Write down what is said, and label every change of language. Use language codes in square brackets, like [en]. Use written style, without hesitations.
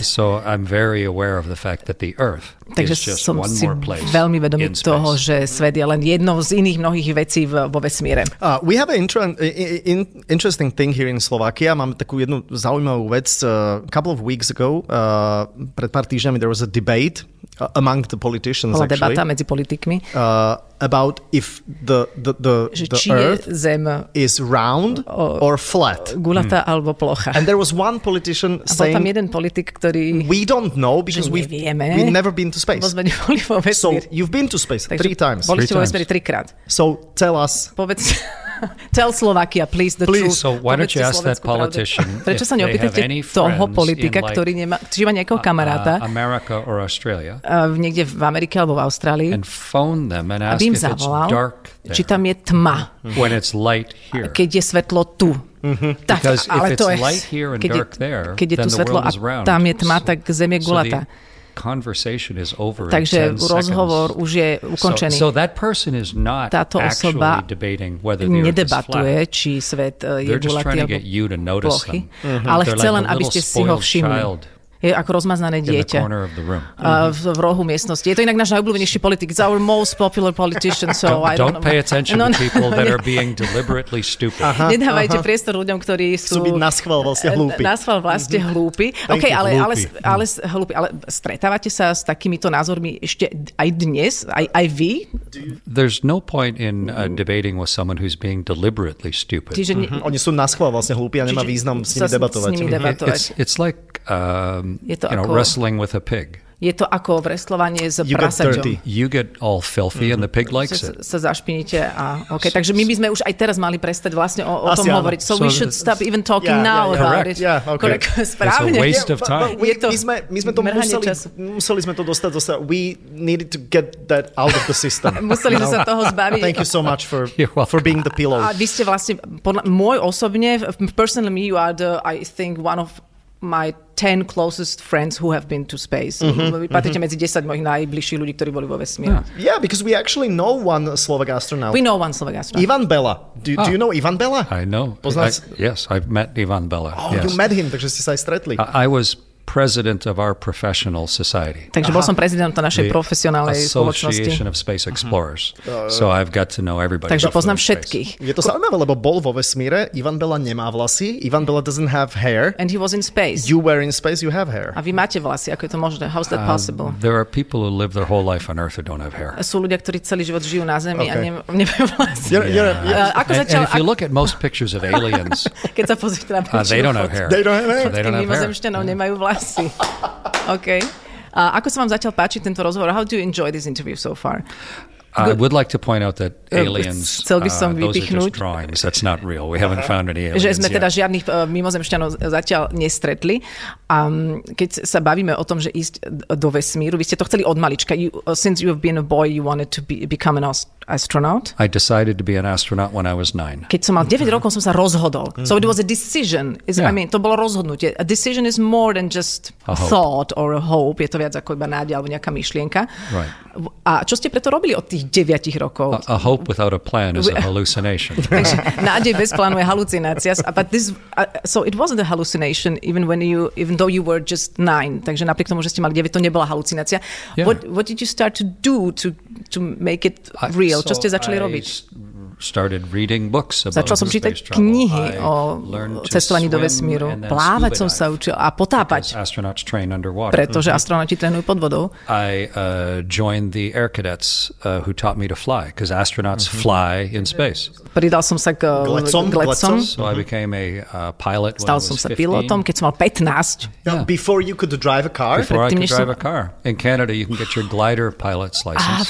[en] So I'm very aware of the fact that the Earth [sk] takže [en] is just one more place. [sk] Veľmi vedomý toho, že svet je len jednou z iných mnohých vecí vo vesmíre. [en] We have an interesting thing here in Slovakia. [sk] Mám takú jednu zaujímavú vec. [en] Couple of weeks ago, [sk] pred pár týždňami [en] there was a debate among the politicians [sk] bola [en] actually. [sk] Debata medzi politikmi. [en] About if the Earth is round or flat. [sk] Gulatá alebo plocha. [en] And there was one politician saying, [sk] tam jeden politik, ktorý, [en] we don't know because we've never been to space. [sk] Sme neboli vo vesmíre. [en] So you've been to space three times. [sk] Boli ste vo vesmíre trikrát. [en] So tell us. Povedz, tell Slovakia, please, the please. Truth. So why don't you ask that politician [sk] prečo sa neopýtate toho politika, like, ktorý nemá, či má nejakého kamaráta [en] America or Australia, [sk] niekde v Amerike alebo v Austrálii, [en] and phone them and ask [sk] aby im zavolal, či tam je tma, [en] when it's light here. [sk] Keď je svetlo tu. Tak, ale to je, [en] light here and dark there, [sk] keď je tu svetlo a tam je tma, tak zem je gulatá. [en] So conversation is over. [sk] Takže rozhovor už je ukončený. [en] So that person is not actually debating whether the earth is flat. [sk] Či svet je gulatý alebo plochy. Ale chce len, aby ste si ho všimli. Je ako rozmaznané dieťa v rohu miestnosti. Je to inak náš najobľúbenejší politik. [en] It's our most popular politician, so don't pay attention to people that are being deliberately stupid. [sk] Nedávajte priestor ľuďom, ktorí sú byť naschvál vlastne hlúpi. Naschvál vlastne hlúpi. OK, ale hlúpi. Ale stretávate sa s takýmito názormi ešte aj dnes, aj vy? [en] There's no point in debating with someone who's being deliberately stupid. [sk] Čiže oni sú naschvál vlastne hlúpi a nemá význam s nimi debatovať. [en] It's like wrestling with a pig. [sk] Je to ako wrestlovanie s prasaťom. [en] You get all filthy and the pig likes it. [sk] Sa zašpiníte a okay, takže my by sme už aj teraz mali prestať vlastne o tom hovoriť. [en] So we should stop even talking now about it. Correct. [sk] Správne. [en] It's a waste of time. [sk] My sme to museli sme to dostať zo sa. [en] We needed to get that out of the system. [sk] Museli sme sa toho zbaviť. [en] Thank you so much for being the pillow. [sk] A vy ste vlastne môj osobne, [en] personally me, you are the, I think, one of my 10 closest friends who have been to space. [sk] Patrite medzi 10 mojich najbližších ľudí, ktorí boli vo vesmíre. [en] Yeah, because we actually know one Slovak astronaut. We know one Slovak astronaut. Ivan Bella. Do you know Ivan Bella? I know. Poznáš? Yes, I've met Ivan Bella. Oh, yes. You met him, [sk] takže ste sa aj stretli. [en] I was president of our professional society. [sk] Takže bol som prezidentom našej profesionálnej spoločnosti. [en] Association of Space Explorers. So I've got to know everybody. [sk] Takže poznám všetkých. Je to zaujímavé, lebo bol vo vesmíre, Ivan Bella nemá vlasy, [en] Ivan Bella doesn't have hair. And he was in space. You were in space, you have hair. [sk] A vy máte vlasy, ako je to možné? [en] How is that possible? There are people who live their whole life on Earth who don't have hair. [sk] Sú ľudia, ktorí celý život žijú na Zemi a nemajú vlasy. [en] And if you look at most pictures of aliens, [sk] keď sa pozrite na [en] väčšinu, they don't have hair. They don't have hair. [sk] Mimozemšťanov nemajú vlasy. Okay. Ako sa vám zatiaľ páči tento rozhovor? [en] How do you enjoy this interview so far? I would like to point out that aliens, those are just drawings. That's not real. We haven't found any aliens [sk] yet. Že sme teda žiadnych mimozemšťanov zatiaľ nestretli. Keď sa bavíme o tom, že ísť do vesmíru, vy ste to chceli od malička. [en] Since you've been a boy, you wanted to become an astronaut. I decided to be an astronaut when I was 9. [sk] Keď som mal 9 rokov, som sa rozhodol. [en] So it was a decision. Yeah. I mean, [sk] to bolo rozhodnutie. [en] A decision is more than just a thought or a hope. [sk] Je to viac ako iba nádej alebo nejaká myšlienka. [en] Right. [sk] A čo ste preto robili od tých 9 rokov? [en] A hope without a plan is a hallucination. [sk] Takže nádej bez plánu je halucinácia. [en] But this, so it wasn't a hallucination even though you were just 9. [sk] Takže napriek tomu, že ste mali 9, to nebola halucinácia. [en] Yeah. What did you start to do to make it real? [sk] Čo ste začali robiť? [en] Started reading books about [sk] začal som čítať knihy o cestovaní do vesmíru. Plávať som sa učil a potápať, pretože astronauti trénujú pod vodou. [en] I joined the air cadets who taught me to fly, because astronauts fly in space. [sk] Pridal som sa k letcom. [en] So I became a pilot. [sk] Stal som sa pilotom, keď som mal 15. [en] Yeah. Before you could drive a car? Before I could drive a car. In Canada you can get your glider pilot's license.